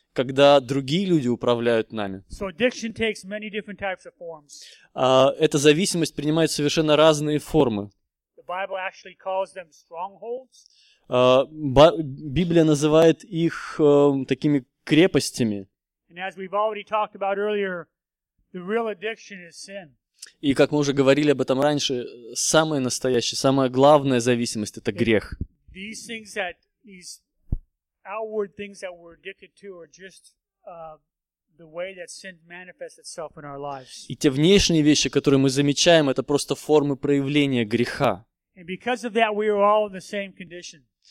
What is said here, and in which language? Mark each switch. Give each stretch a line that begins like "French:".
Russian: Когда другие люди управляют нами.
English: So addiction takes many different types of forms.
Russian: Эта зависимость принимает совершенно разные формы.
English: The Bible actually calls them strongholds.
Russian: Библия называет их такими крепостями.
English: And as we've already talked about earlier, the real addiction is sin.
Russian: И как мы уже говорили об этом раньше, самая настоящая, самая главная зависимость — это грех.
English: These things that these outward things that we're addicted to are just the way that sin manifests itself in our lives.
Russian: И те внешние вещи, которые мы замечаем, это просто формы проявления греха.
English: And because of that, we are all in the same condition.